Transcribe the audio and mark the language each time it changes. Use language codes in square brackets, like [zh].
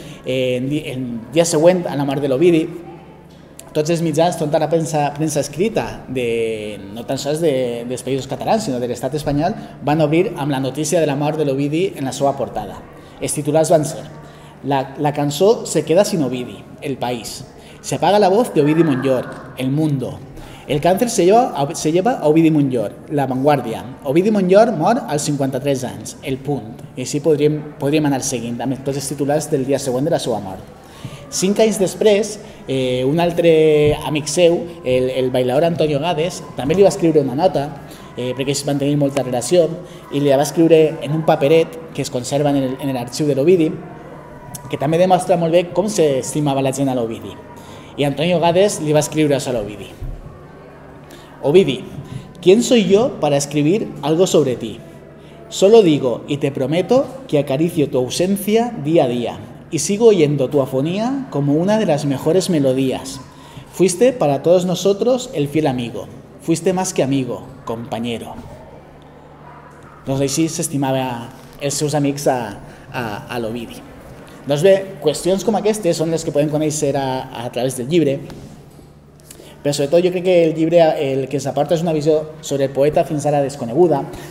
[ca] El dia següent, a la mort de l'Ovidi, tots els mitjans, tota la premsa escrita, no tan sols dels països catalans, sinó de l'estat espanyol, van obrir amb la notícia de la mort de l'Ovidi en la seva portada. Els titulars van ser: [es] la cançó se queda sin Ovidi, El País. Se apaga la voz de Ovidi Montllor, El Mundo. El càncer se lleva a Ovidi Montllor, La Vanguardia. [ca] Ovidi Montllor mor als 53 anys, El Punt. I així podríem anar seguint amb tots els titulars del dia següent de la seva mort. 5 anys després, un altre amic seu, el bailador Antonio Gades, també li va escriure una nota, perquè es van tenir molta relació, i li va escriure en un paperet que es conserva en l'arxiu de l'Ovidi, que també demostra molt bé com s'estimava la gent a l'Ovidi. I Antonio Gades li va escriure això a l'Ovidi: [es] Ovidi, ¿quién soy yo para escribir algo sobre ti? Solo digo y te prometo que acaricio tu ausencia día a día y sigo oyendo tu afonía como una de las mejores melodías. Fuiste para todos nosotros el fiel amigo. Fuiste más que amigo, compañero. [ca] Doncs així s'estimava els seus amics a l'Ovidi. Doncs bé, qüestions com aquestes són les que podem conèixer a través del llibre. Però sobretot jo crec que el llibre el que ens aporta és una visió sobre el poeta fins ara desconeguda.